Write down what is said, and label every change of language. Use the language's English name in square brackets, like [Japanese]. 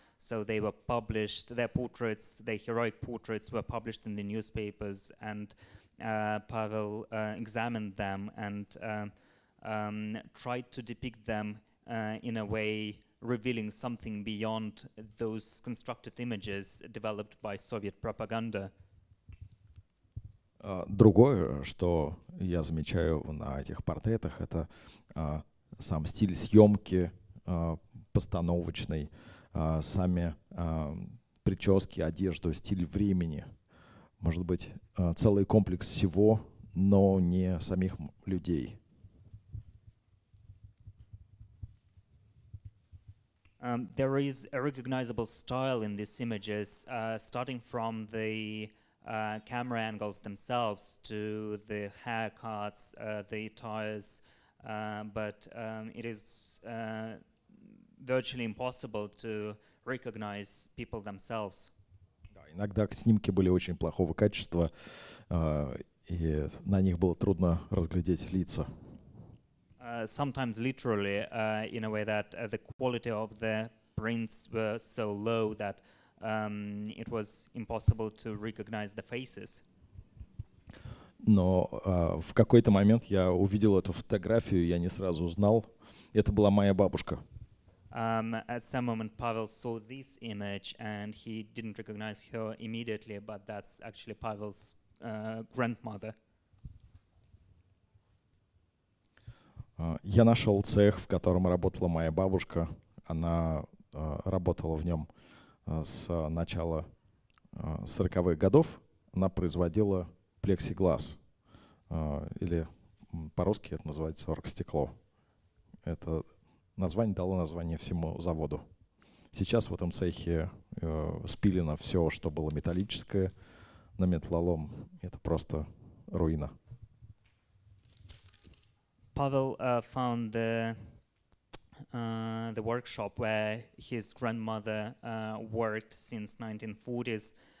[English] So they were published, their portraits, their heroic portraits were published in the newspapers, and Pavel examined them and tried to depict them in a way revealing something beyond those constructed images developed by Soviet propaganda. [Russian] Другое, что я замечаю на этих портретах, это сам стиль съемки постановочной, сами прически, одежду, стиль времени. Может быть, целый комплекс всего, но не самих людей. [English] There is a recognizable style in these images, starting from the camera angles themselves to the haircuts, the attires, but it is virtually impossible to recognize people themselves. [Russian] Да, иногда снимки были очень плохого качества, и на них было трудно разглядеть лица. [English] Sometimes literally, in a way that the quality of the prints were so low that it was impossible to recognize the faces. [Russian] Но в какой-то момент я увидел эту фотографию, я не сразу узнал. Это была моя бабушка. [English] At some moment, Pavel saw this image and he didn't recognize her immediately, but that's actually Pavel's grandmother. [Russian] Я нашел цех, в котором работала моя бабушка. Она работала в нем с начала 40-х годов. Она производила плексиглас, или по-русски это называется оргстекло. Это название дало название всему заводу. Сейчас в этом цехе спилено все, что было металлическое на металлолом. Это просто руина. [English] Pavel found the workshop where his grandmother worked since 1940s.